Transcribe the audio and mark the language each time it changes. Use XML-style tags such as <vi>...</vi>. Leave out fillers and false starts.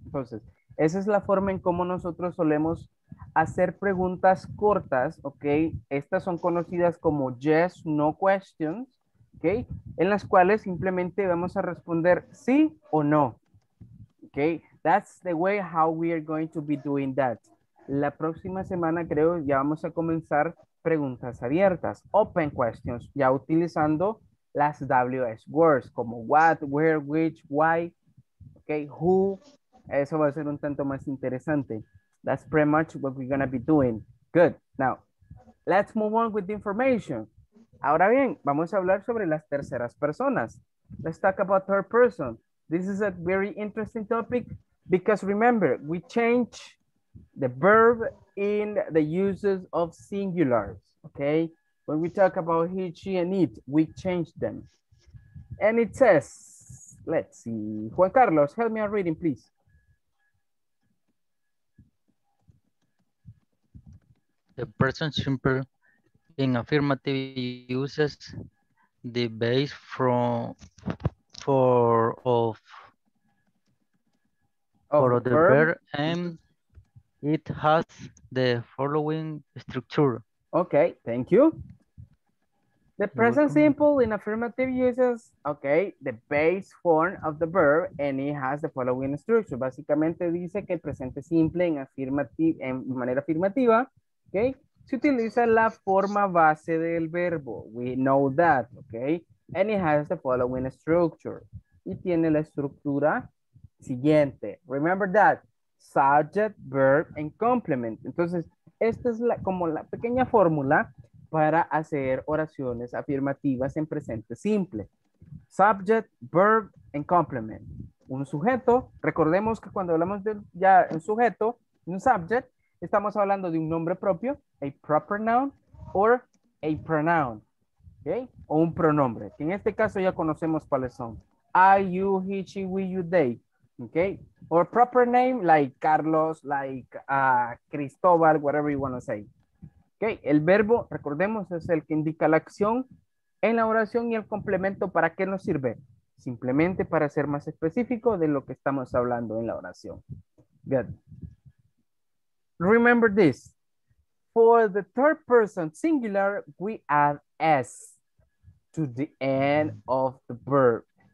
<es>Entonces, esa es la forma en cómo nosotros solemos hacer preguntas cortas, ¿ok? Estas son conocidas como</es> <en>yes, no questions,</en> <es>¿ok? En las cuales simplemente vamos a responder sí o no, ¿ok?</es> <en>That's the way how we are going to be doing that.</en> <es>La próxima semana creo ya vamos a comenzar preguntas abiertas,</es> <en>open questions,</en> <es>ya utilizando las WS words como what, where, which, why, ¿ok? Who, eso va a ser un tanto más interesante.</es> <en>That's pretty much what we're going to be doing. Good. Now, let's move on with the information.</en> <es>Ahora bien, vamos a hablar sobre las terceras personas.</es> <en>Let's talk about third person. This is a very interesting topic because remember, we change the verb in the uses of singulars. Okay. When we talk about he, she, and it, we change them. And it says, let's see, Juan Carlos, help me on reading, please. The present simple in affirmative uses the base from for the verb, and it has the following structure. Okay, thank you. The present simple in affirmative uses, okay, the base form of the verb, and it has the following structure.</en> <es>Básicamente dice que el presente simple en afirmativo, en manera afirmativa, okay, se utiliza la forma base del verbo.</es> <en>We know that, okay? And it has the following structure.</en> <es>Y tiene la estructura siguiente.</es> <en>Remember that. Subject, verb, and complement.</en> <es>Entonces, esta es la, como la pequeña fórmula para hacer oraciones afirmativas en presente simple.</es> <en>Subject, verb, and complement.</en> <es>Un sujeto. Recordemos que cuando hablamos de ya un sujeto, un subject, estamos hablando de un nombre propio,</es> <en>a proper noun, or a pronoun,</en> <es>okay? O un pronombre. En este caso ya conocemos cuáles son.</es> <en>I, you, he, she, we, you, they, okay? Or proper name, like Carlos, like Cristóbal, whatever you want to say.</en> <es>Okay, el verbo, recordemos, es el que indica la acción en la oración y el complemento, ¿para qué nos sirve? Simplemente para ser más específico de lo que estamos hablando en la oración.</es> <en>Good. Remember this, for the third person singular, we add S to the end of the verb.</en>